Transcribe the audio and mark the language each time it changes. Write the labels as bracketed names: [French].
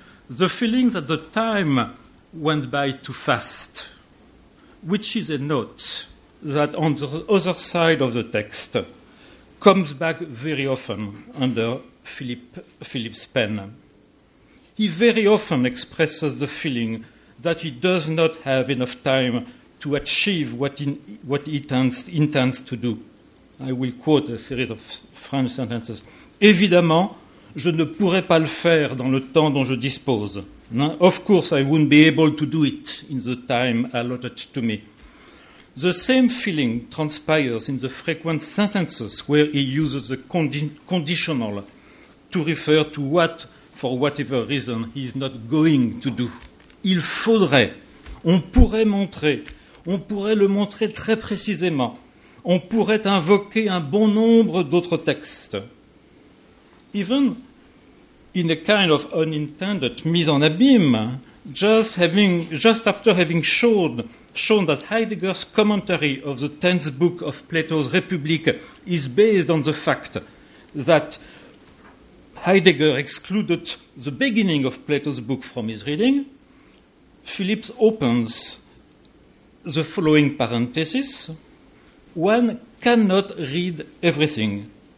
[English] The feeling that the time went by too fast, which is a note that on the other side of the text comes back very often under Philippe's pen. He very often expresses the feeling that he does not have enough time to achieve what he intends to do. I will quote a series of French sentences. [French] Évidemment, je ne pourrais pas le faire dans le temps dont je dispose. [English] Of course, I wouldn't be able to do it in the time allotted to me. The same feeling transpires in the frequent sentences where he uses the conditional to refer to what, for whatever reason, he is not going to do. [French] Il faudrait, on pourrait le montrer très précisément, on pourrait invoquer un bon nombre d'autres textes. [English] Even in a kind of unintended mise en abîme, just after having shown that Heidegger's commentary of the 10th book of Plato's Republic is based on the fact that Heidegger excluded the beginning of Plato's book from his reading, Philippe opens the following parenthesis: one cannot read everything,